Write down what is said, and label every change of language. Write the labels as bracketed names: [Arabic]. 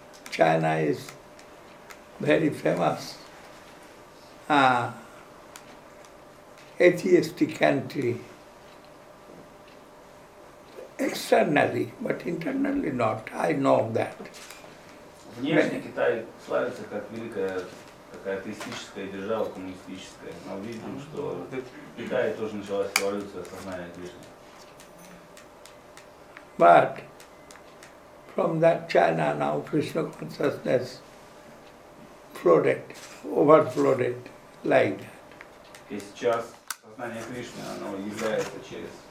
[English] China is very famous atheistic country, externally, but internally not, I know that. [Russian] Внешне Китай славится как великая такая атеистическая держава, коммунистическая, но видим, что в Китае тоже началась революция сознания Кришны. [English] But from that China now Krishna consciousness overflowed like that. [Russian] И сейчас сознание Кришны, оно является через...